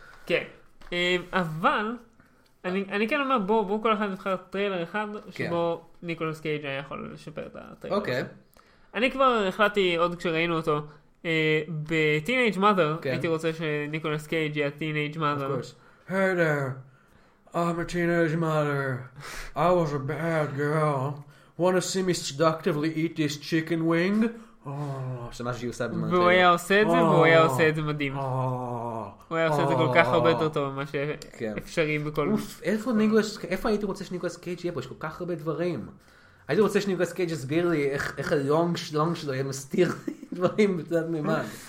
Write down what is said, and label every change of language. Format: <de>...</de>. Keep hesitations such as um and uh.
<he>כן, אבל אני, אני כן אומר, בואו בוא כל אחד נבחר טריילר אחד, שבו ניקולוס קייג' היה יכול לשפר את הטריילר הזה. אני כבר החלטתי עוד כשראינו אותו, ב-Teenage Mother, כן. הייתי רוצה שניקולוס קייג' יהיה Teenage Mother. היי דאר, אני Teenage Mother.</he> <en>I was a bad girl. want to see me seductively eat this chicken wing?</en> <he>שמה שהיא עושה במונטיירו. והוא היה עושה את זה, והוא היה עושה את זה מדהים. הוא היה עושה את זה כל כך הרבה יותר טוב ממה שאפשרי בכל... איפה הייתי רוצה שניגולס קייג' יהיה פה? יש כל כך הרבה דברים. הייתי רוצה שניגולס קייג' יסביר לי איך הלונג שלונג שלו יהיה מסתיר דברים בצד מימד.</he>